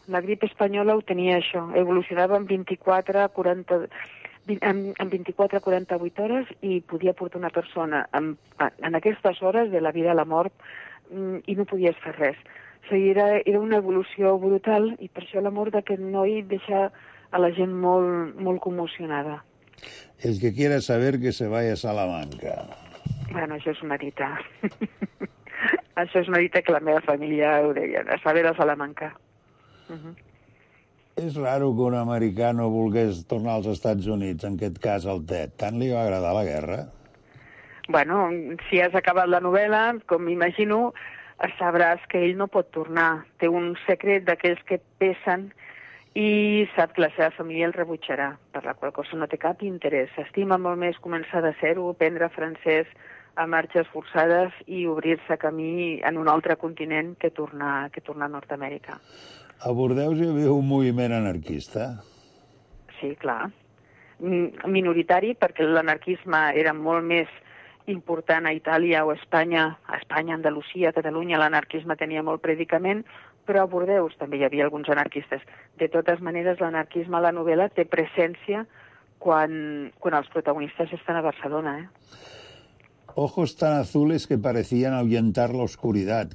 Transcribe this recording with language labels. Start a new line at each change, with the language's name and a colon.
Catalan: La grip espanyola ho tenia això, evolucionava en 24-48 hores i podia portar una persona en aquestes hores de la vida a la mort i no podies fer res. O sigui, era una evolució brutal i per això la mort d'aquest noi deixa a la gent molt commocionada.
Spanish: El que quiera saber que se vaya a Salamanca.
Catalan: Bueno, això és una dita. Això és una dita que la meva família ho deia, a saber a Salamanca. És raro que un americà no volgués tornar als Estats Units, en aquest cas el Ted. Tant li va agradar la guerra? Bueno, si has acabat la novel·la, com m'imagino, sabràs que ell no pot tornar. Té un secret d'aquells que pesen i sap que la seva família el rebutjarà, per la qual cosa no té cap interès. S'estima molt més començar de zero, aprendre francès a marxes forçades i obrir-se camí en un altre continent que tornar a Nord-Amèrica. A Bordeus hi havia un moviment anarquista? Sí, clar. Minoritari, perquè l'anarquisme era molt més important a Itàlia o a Espanya, Andalusia, Catalunya, l'anarquisme tenia molt predicament, però a Bordeus també hi havia alguns anarquistes. De totes maneres, l'anarquisme a la novel·la té presència quan els protagonistes estan a Barcelona, eh?
Spanish: Ojos tan azules que parecían ahuyentar la oscuridad.